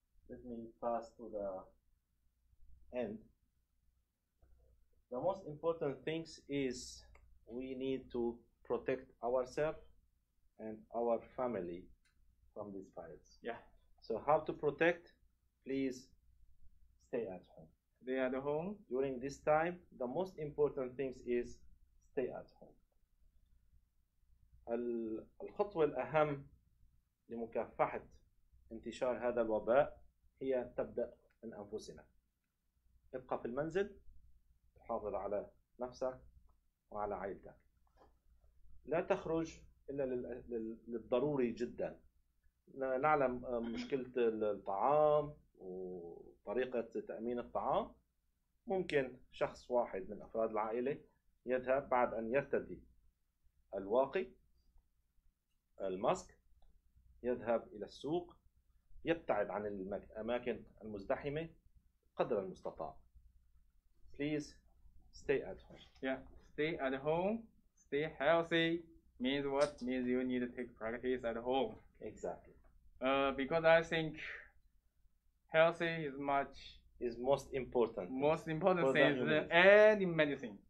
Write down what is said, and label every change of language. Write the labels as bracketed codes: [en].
[en] Let me pass to the end. The most important things is we need to protect ourselves and our family from this virus. Yeah. So how to protect? Please stay at home. Stay at home. During this time, the most important thing is stay at home. [ar] الخطوة الأهم لمكافحة انتشار هذا الوباء هي تبدأ من أنفسنا. ابقى في المنزل، حافظ على نفسك وعلى عائلتك. لا تخرج إلا للضروري جدا. نعلم مشكلة الطعام وطريقة تأمين الطعام. ممكن شخص واحد من أفراد العائلة يذهب بعد أن يرتدي الواقي الماسك، يذهب إلى السوق، يبتعد عن الأماكن المزدحمة قدر المستطاع. [en] Please stay at home. Yeah, stay at home, stay healthy means what? Means you need to take practice at home. Exactly. Because I think healthy is much is most important. Most important thing is any medicine.